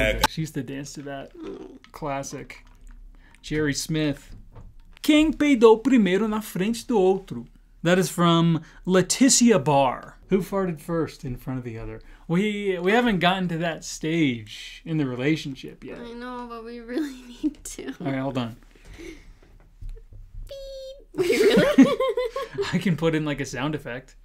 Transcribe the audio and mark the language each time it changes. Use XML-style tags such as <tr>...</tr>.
<en>she used to dance to that classic. Jerry Smith.</en> <pt>Quem peidou primeiro na frente do outro?</pt> <en>That is from Leticia Barr. Who farted first in front of the other? We haven't gotten to that stage in the relationship yet. I know, but we really need to. All right, hold on. Beep. Wait, really? I can put in a sound effect.</en>